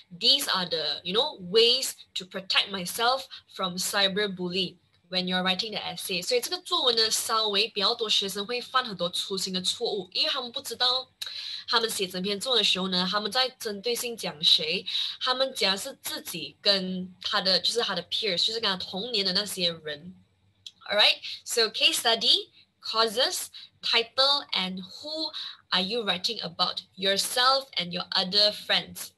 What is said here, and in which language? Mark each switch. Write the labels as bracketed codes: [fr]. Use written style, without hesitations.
[en] These are the you know ways to protect myself from cyberbullying when you're writing the essay。 [zh] 所以这个作文呢稍微比较多学生会犯很多粗心的错误，因为他们不知道他们写整篇作文的时候呢，他们在针对性讲谁，他们讲是自己跟他的就是他的 peers， 就是跟他同年的那些人。 [en] Alright, so case study, causes, title, and who are you writing about, yourself and your other friends。